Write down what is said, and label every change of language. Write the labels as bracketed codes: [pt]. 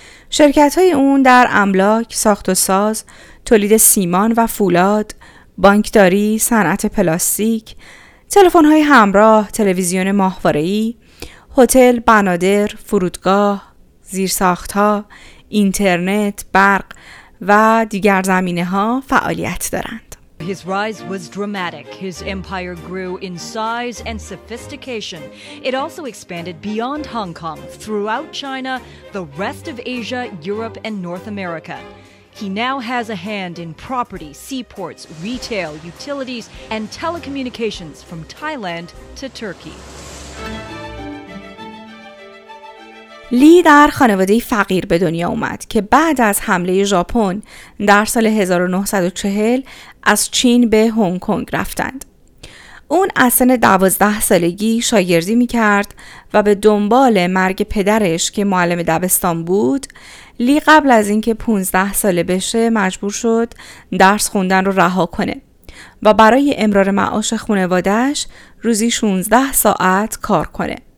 [fa] شرکت‌های اون در املاک، ساخت و ساز، تولید سیمان و فولاد، بانکداری، صنعت پلاستیک، تلفن‌های همراه، تلویزیون ماهواره‌ای، هتل، بنادر، فرودگاه، زیرساخت‌ها، اینترنت، برق و دیگر زمینه‌ها فعالیت دارند. [en] His rise was dramatic. His empire grew in size and sophistication. It also expanded beyond Hong Kong, throughout China, the rest of Asia, Europe, and North America. He now has a hand in property, seaports, retail, utilities, and telecommunications from Thailand to Turkey. [fa] لی در خانواده فقیر به دنیا اومد که بعد از حمله ژاپن در سال 1940 از چین به هنگ کنگ رفتند. اون از سن 12 سالگی شاگردی می کرد و به دنبال مرگ پدرش که معلم دبستان بود، لی قبل از اینکه 15 ساله بشه مجبور شد درس خوندن رو رها کنه و برای امرار معاش خانوادهش روزی 16 ساعت کار کنه.